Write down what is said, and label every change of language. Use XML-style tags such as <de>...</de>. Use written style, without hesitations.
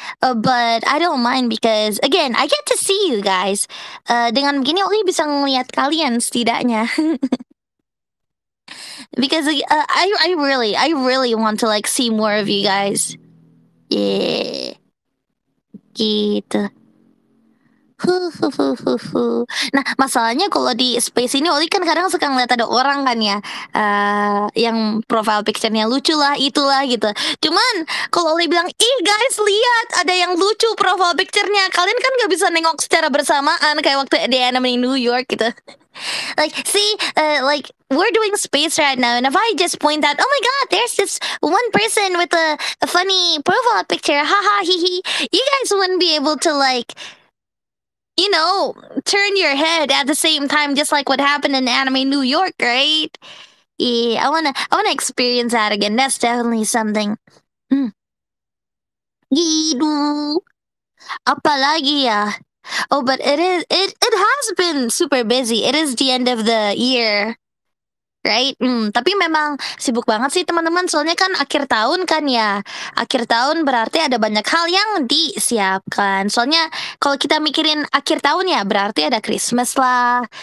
<en>But I don't mind because, again, I get to see you guys.</en> <id>Dengan begini, Oli bisa ngeliat kalian setidaknya.</id> <en>Because I really want to, like, see more of you guys. Yeah. Gitu.</en> <id>Nah, masalahnya kalau di space ini Oli kan kadang suka ngeliat ada orang kan ya, yang profile picture-nya lucu lah, itulah gitu. Cuman kalau Oli bilang, ih guys lihat ada yang lucu profile picture-nya, kalian kan gak bisa nengok secara bersamaan kayak waktu Diana di New York gitu.</id> <en>Like, see, like, we're doing space right now, and if I just point out, oh my god, there's this one person with a funny profile picture, haha, hehe, you guys wouldn't be able to, like, you know, turn your head at the same time, just like what happened in Anime New York, right? Yeah, I wanna experience that again. That's definitely something.</en> <id>Gitu. Apalagi ya.</id> <en>Oh, but it has been super busy. It is the end of the year, right?</en> <id>Tapi memang sibuk banget sih teman-teman. Soalnya kan akhir tahun kan ya. Akhir tahun berarti ada banyak hal yang disiapkan. Soalnya kalau kita mikirin akhir tahun ya, berarti ada Christmas lah.</id>